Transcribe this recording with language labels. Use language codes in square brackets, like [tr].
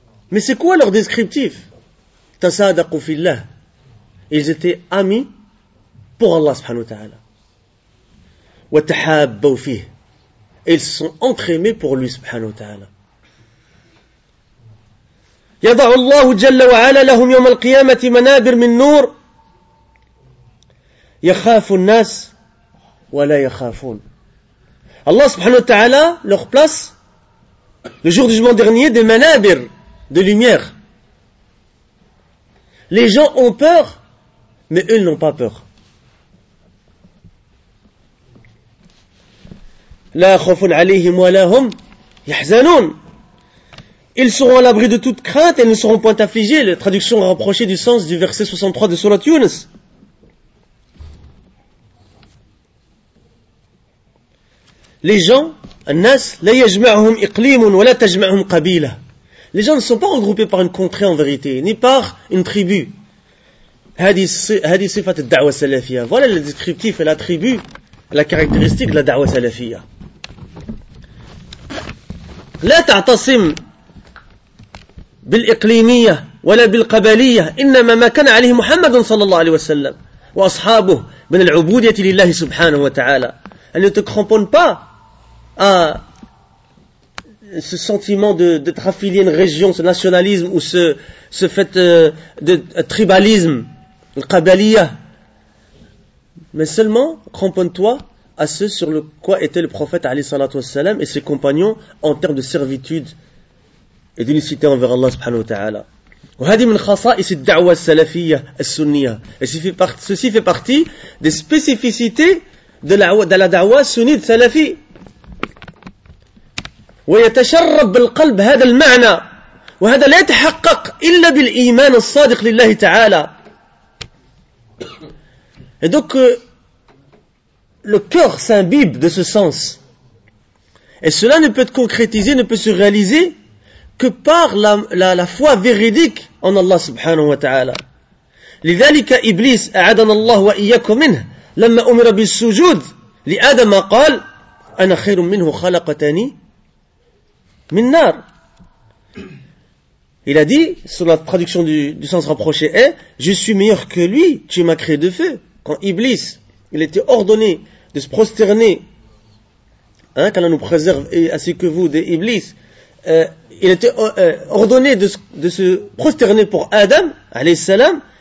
[fr] Mais c'est quoi leur descriptif? [ar] تَسَادَقُوا فِي اللَّهِ. [fr] Ils étaient amis pour Allah subhanahu wa ta'ala. [ar] وَتَحَابَّوا فِيهِ. [fr] Et ils se sont entraînés pour lui subhanahu wa ta'ala. [ar] يضع الله جل وعلا لهم يوم القيامة منابر من نور يخاف الناس ولا يخافون. [fr] الله سبحانه وتعالى leur place le jour du jugement dernier des منابر de lumière. Les gens ont peur mais eux n'ont pas peur. [ar] لا خوف عليهم ولا هم يحزنون. [fr] Ils seront à l'abri de toute crainte et ne seront point affligés. La traduction rapprochée du sens du verset 63 de Sourate Younes. Les gens, [ar] الناس, لا يجمعهم إقليم ولا تجمعهم قبيلة. [fr] Les gens ne sont pas regroupés par une contrée en vérité, ni par une tribu. [ar] هذه صفة الدعوة السلفية. [fr] Voilà le descriptif et l'attribut, la caractéristique de la دعوة السلفية. [ar] لا تعتصم بالإقليمية ولا بالقبلية إنما ما كان عليه محمد صلى الله عليه وسلم وأصحابه من العبودية لله سبحانه وتعالى. [fr] أن ne te cramponne pas à ce sentiment d'être affilié à une région, ce nationalisme ou ce fait de tribalisme, le qabaliya. Mais seulement cramponne-toi à ce sur le quoi était le prophète عليه الصلاة والسلام et ses compagnons en termes de servitude et d'unicité envers Allah subhanahu wa ta'ala. [ar] وهذه من خصائص الدعوة السلفية السنية. [fr] Ceci fait partie des spécificités de la da'wa sunnite salafi. [ar] ويتشرب بالقلب هذا المعنى وهذا لا يتحقق إلا بالإيمان الصادق لله تعالى. [fr] Et donc le cœur s'imbibe de ce sens. Et cela ne peut être concrétisé, ne peut se réaliser que par la foi véridique en Allah subhanahu wa ta'ala. [ar] لذلك إبليس أعدنا الله وإياكم منه لما أمر بالسجود لآدم قال أنا خير منه خلقتني من نار. [fr] Il a dit, sur la traduction du sens rapproché est, je suis meilleur que lui, tu m'as créé de feu. Quand Iblis, il était ordonné de se prosterner, hein, qu'Allah nous préserve et ainsi que vous des Iblis, il était ordonné de se prosterner pour Adam, alayhi salam.